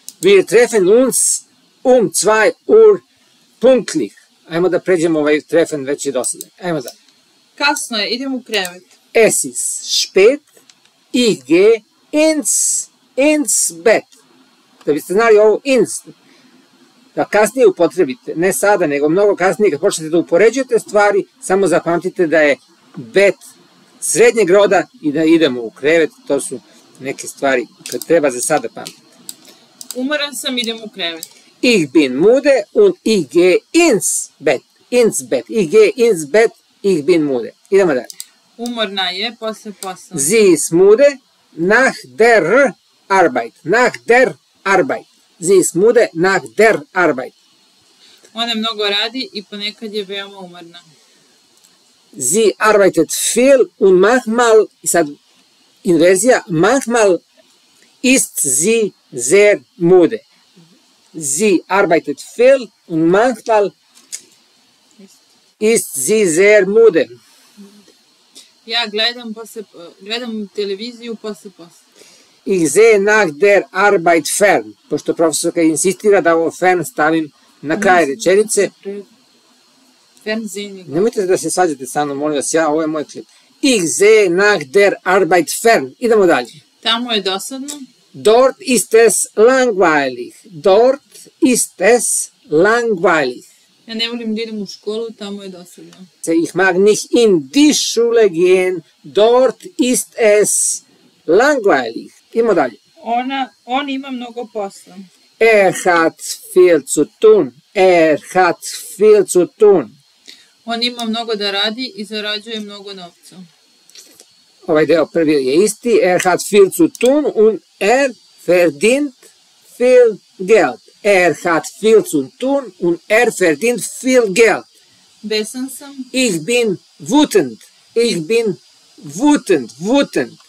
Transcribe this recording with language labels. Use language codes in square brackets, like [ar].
[de] Wir treffen uns 2 Uhr punktlich. [sr] Ajmo da pređemo ovaj treffen već i dosadne. Ajmo da. Kasno je, idem u krevet. [de] Es ist spät, ich gehe ins Bett. [sr] Da biste znali ovo ins, da kasnije upotrebite, ne sada, nego mnogo kasnije, kad počnete da upoređujete stvari, samo zapamtite da je bet srednjeg roda i da idemo u krevet, to su neke stvari koje treba za sada pamtiti. Umoran sam, idem u krevet. [de] Ich bin müde und ich gehe ins Bett. Ins Bett. Ich gehe ins Bett. Ich bin müde. [sr] Idemo dalje. Umorna je posle posla. [de] Sie ist müde nach der Arbeit. Nach der Arbeit. Sie ist müde nach der Arbeit. [sr] Ona mnogo radi i ponekad je veoma umorna. [de] Sie arbeitet viel und manchmal, [sr] sad inverzija, [de] manchmal ist sie sehr müde. Sie arbeitet viel und manchmal ist sie sehr müde. [sr] Ja, gledam televiziju posle posla. [de] Ich sehe nach der Arbeit fern, [sr] pošto profesorka insistira da ovo fern stavim na kraj rečenice. [de] Fernsehen. [sr] Nemojte da se svađate sa mnom, molim vas, ja, ovo je moj klip. [de] Ich sehe nach der Arbeit fern. [sr] Idemo dalje. Tamo je dosadno. [de] Dort ist es langweilig. Dort ist es langweilig. [sr] Ja ne volim da idem u školu, tamo je dosadno. [de] Se ich mag nicht in die Schule gehen, dort ist es langweilig. [sr] Imo dalje. On ima mnogo posla. [de] Hat viel zu tun. Hat viel zu tun. [sr] On ima mnogo da radi i zarađuje mnogo novca. Ovaj deo prvi je isti. [de] Hat viel zu tun und verdient viel Geld. Hat viel zu tun und verdient viel Geld. [sr] Besen sam. [de] Ich bin wütend. Ich bin wütend. Wütend.